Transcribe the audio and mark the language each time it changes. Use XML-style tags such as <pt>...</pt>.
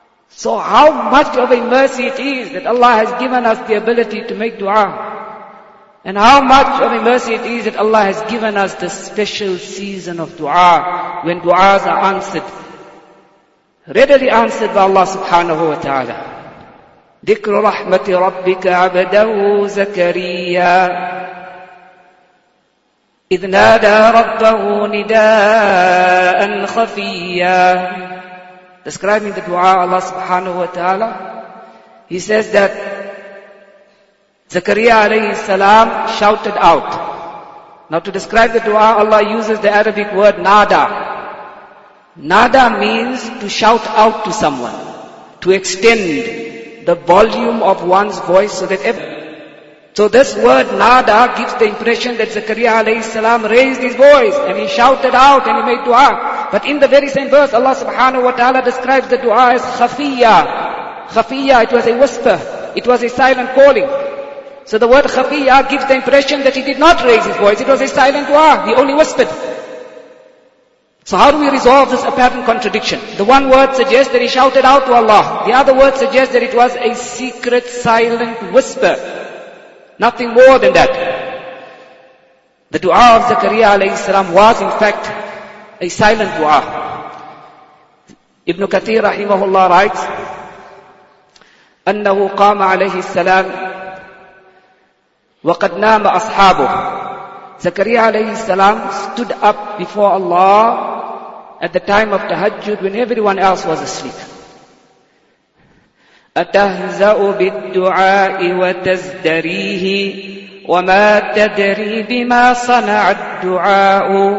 <en>So how much of a mercy it is that Allah has given us the ability to make dua. And how much of a mercy it is that Allah has given us the special season of dua, when duas are answered, readily answered by Allah subhanahu wa ta'ala.</en> <ar>ذكر رحمة ربك عبده زكريا إذ نادى ربه نداء خفيا.</ar> <en>Describing the dua, Allah subhanahu wa ta'ala, He says that Zakariya alayhi salam shouted out. Now to describe the dua, Allah uses the Arabic word nada. Nada means to shout out to someone, to extend the volume of one's voice so that so this word nada gives the impression that Zakariya alayhi salam raised his voice and he shouted out and he made dua. But in the very same verse, Allah subhanahu wa ta'ala describes the dua as khafiyya. Khafiyya, it was a whisper. It was a silent calling. So the word khafiyya gives the impression that he did not raise his voice. It was a silent dua. He only whispered. So how do we resolve this apparent contradiction? The one word suggests that he shouted out to Allah. The other word suggests that it was a secret, silent whisper. Nothing more than that. The dua of Zakariya alayhi salam was in fact a silent dua. Ibn Kathir rahimahullah writes,</en> <ar>أَنَّهُ قَامَ عَلَيْهِ السَّلَامِ وَقَدْ نَامَ أَصْحَابُهُ.</ar> <en>Zakariya alayhi salam stood up before Allah at the time of tahajjud when everyone else was asleep.</en> <ar>أَتَهْزَأُ بِالدُّعَاءِ وَتَزْدَرِيهِ وَمَا تَدْرِي بِمَا صَنَعَ الدُّعَاءُ.</ar>